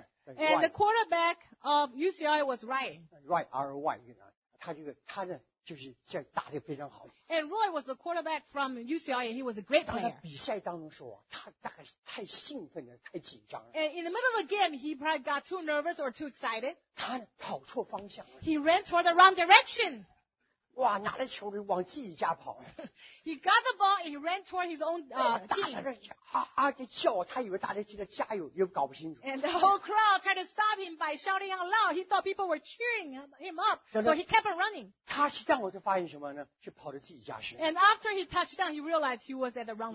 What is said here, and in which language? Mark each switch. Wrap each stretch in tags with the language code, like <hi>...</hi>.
<en>And the quarterback of UCLA was Ryan. Ryan, R-Y, you know.</en> <zh>他这个他呢就是在打得非常好。</zh> <en>And Roy was the quarterback from UCLA and he was a great player.</en> <zh>他比赛当中说他大概是太兴奋了太紧张了。</zh> <en>And in the middle of the game, he probably got too nervous or too excited.</en> <zh>他跑错方向了。</zh> <en>He ran toward the wrong direction.</en> <zh>哇拿着球就往自己家跑。</zh> <en>He got the ball and he ran toward his own team.</en> <zh>就叫他以为大家记得加油又搞不清楚。</zh> <en>And the whole crowd tried to stop him by shouting out loud. He thought people were cheering him up. So he kept on running.</en> <zh>他去当我就发现什么呢是跑到自己家去。</zh> <en>And after he touched down, he realized he was at the wrong zone.</en>